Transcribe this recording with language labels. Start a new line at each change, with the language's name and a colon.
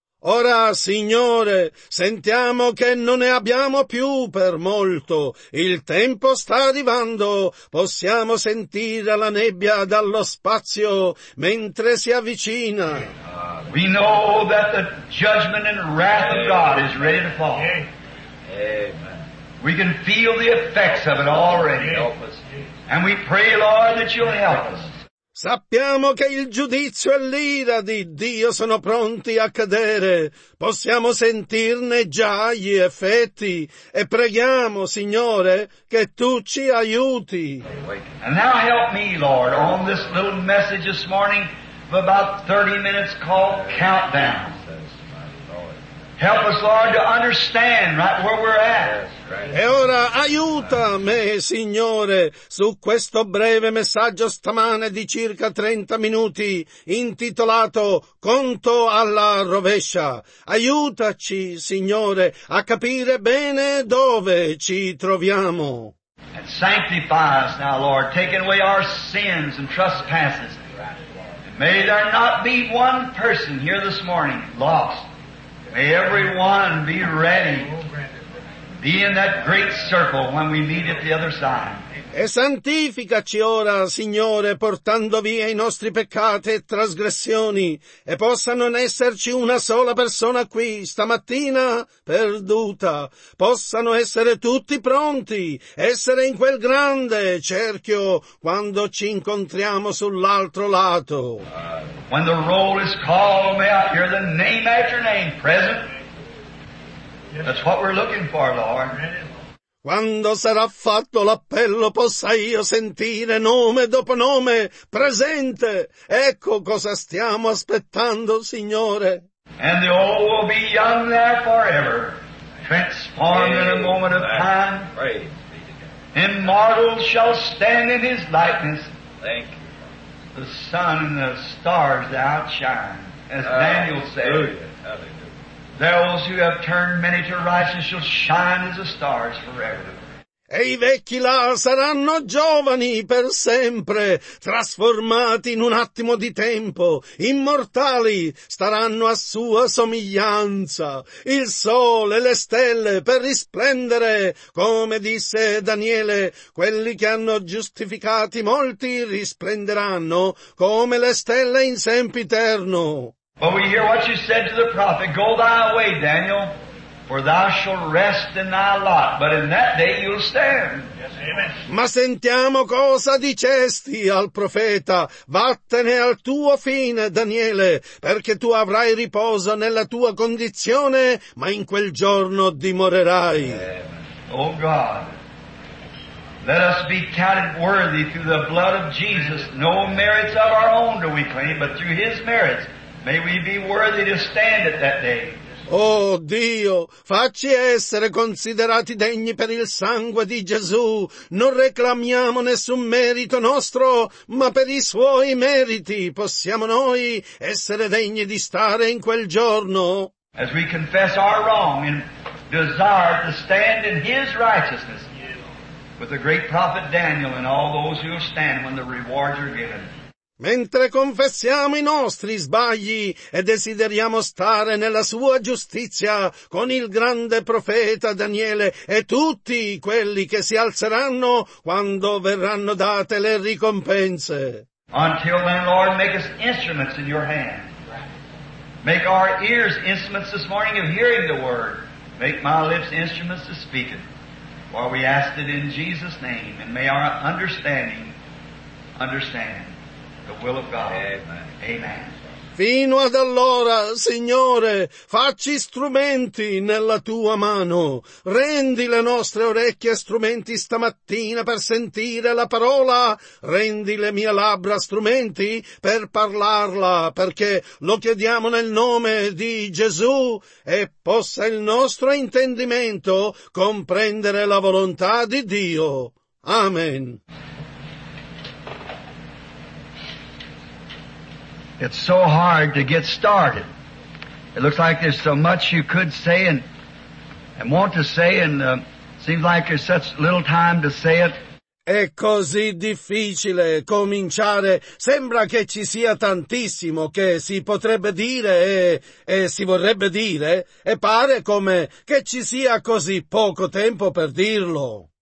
Italian: Ora, Signore, sentiamo che non ne abbiamo più per molto. Il tempo sta arrivando. Possiamo sentire la nebbia dallo spazio mentre si avvicina.
English: We know that the judgment and wrath of God is ready to fall. Amen. We can feel the effects of it already. Help us. And we pray, Lord, that you'll help us.
Italian: Sappiamo che il giudizio e l'ira di Dio sono pronti a cadere. Possiamo sentirne già gli effetti. E preghiamo, Signore, che Tu ci aiuti.
English: And now help me, Lord, on this little message this morning of about 30 minutes called Countdown. Help us, Lord, to understand right where we're at.
Italian: E ora aiuta me, Signore, su questo breve messaggio stamane di circa 30 minuti, intitolato Conto alla rovescia. Aiutaci, Signore, a capire bene dove ci troviamo.
English: And sanctify us now, Lord, taking away our sins and trespasses. And may there not be one person here this morning lost. May everyone be ready. Be in that great circle when we meet at the other side.
Italian: E santificaci ora, Signore, portando via i nostri peccati e trasgressioni, e possa non esserci una sola persona qui stamattina perduta. Possano essere tutti pronti, essere in quel grande cerchio quando ci incontriamo sull'altro lato.
English: When the roll is called, may I hear the name after name present? That's what we're looking for, Lord.
Italian: Quando sarà fatto l'appello, possa io sentire nome dopo nome presente. Ecco cosa stiamo aspettando, Signore.
English: And the old will be young there forever, transformed in a moment of time. Immortal shall stand in his likeness. Thank you. The sun and the stars that outshine, as Daniel said. Those who have turned many to righteousness shall shine as the stars forever.
Italian: E i vecchi là saranno giovani per sempre, trasformati in un attimo di tempo, immortali, staranno a sua somiglianza, il sole e le stelle per risplendere, come disse Daniele, quelli che hanno giustificati molti risplenderanno come le stelle in sempiterno.
English: But we hear what you said to the prophet, go thy way, Daniel, for thou shalt rest in thy lot, but in that day you'll stand. Yes, amen.
Italian: Ma sentiamo cosa dicesti al profeta, vattene al tuo fine, Daniele, perché tu avrai riposo nella tua condizione, ma in quel giorno dimorerai.
English: Amen. Oh God, let us be counted worthy through the blood of Jesus. No merits of our own do we claim, but through his merits. May we be worthy to stand at that day.
Italian: Oh Dio, facci essere considerati degni per il sangue di Gesù. Non reclamiamo nessun merito nostro, ma per i suoi meriti possiamo noi essere degni di stare in quel giorno.
English: As we confess our wrong and desire to stand in his righteousness with the great prophet Daniel and all those who stand when the rewards are given.
Italian: Mentre confessiamo i nostri sbagli e desideriamo stare nella sua giustizia con il grande profeta Daniele e tutti quelli che si alzeranno quando verranno date le ricompense.
English: Until then, Lord, make us instruments in your hand. Make our ears instruments this morning of hearing the word. Make my lips instruments of speaking. For we ask it in Jesus' name, and may our understanding understand. The will of God. Amen. Amen.
Italian: Fino ad allora, Signore, facci strumenti nella Tua mano. Rendi le nostre orecchie strumenti stamattina per sentire la parola. Rendi le mie labbra strumenti per parlarla, perché lo chiediamo nel nome di Gesù e possa il nostro intendimento comprendere la volontà di Dio.
English: Amen. It's so hard to get started. It looks like there's so much you could say and want to say and seems like there's such little time to say it.
Italian: È così difficile cominciare. Sembra che ci sia tantissimo che si potrebbe dire e si vorrebbe dire e pare come che ci sia così poco tempo per dirlo.